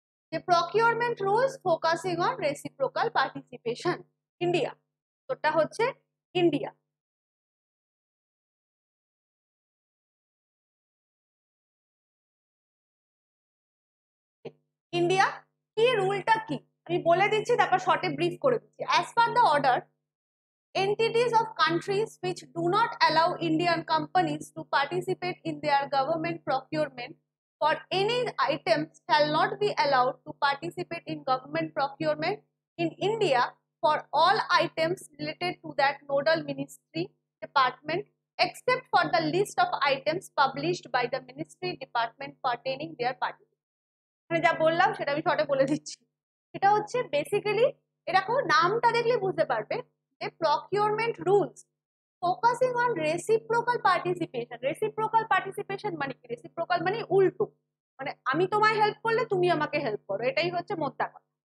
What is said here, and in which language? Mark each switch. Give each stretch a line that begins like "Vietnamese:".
Bangla: যে procurement rules focusing on reciprocal participation, India, তোটা হচ্ছে India. India কি রুলটা কি আমি বলে দিচ্ছি, তারপর শর্টে ব্রিফ করে দিচ্ছি।
English: As per the order entities of countries which do not allow Indian companies to participate in their government procurement for any item shall not be allowed to participate in government procurement in India for all items related to that nodal ministry department except for the list of items published by the ministry department pertaining their party.
Bangla: মানে যা বললাম সেটা আমি শর্টে বলে দিচ্ছি। এটা হচ্ছে বেসিক্যালি, এরকম নামটা দেখলে বুঝতে পারবে, procurement rules focusing on reciprocal participation. Reciprocal participation মানে কি? রেসিপ্রোকাল মানে উল্টো, মানে আমি তোমায় হেল্প করলে তুমি আমাকে হেল্প করো, এটাই হচ্ছে মোদ্দা কথা।